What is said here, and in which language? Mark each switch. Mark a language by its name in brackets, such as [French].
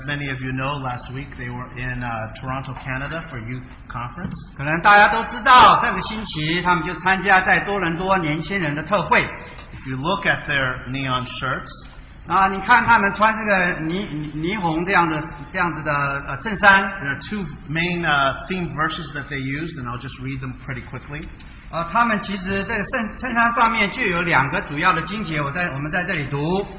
[English] many of you know, last week they were in Toronto, Canada for youth conference. [Chinese] 可能大家都知道，这个星期他们就参加在多伦多年轻人的特会。 [English] If you look at their neon shirts, [Chinese] 你看他们穿这个霓虹这样的衬衫, [English] there are two main theme verses that they use, and I'll just read them pretty quickly. [Chinese] 他们其实这个衬衫上面就有两个主要的经节, 我们在这里读,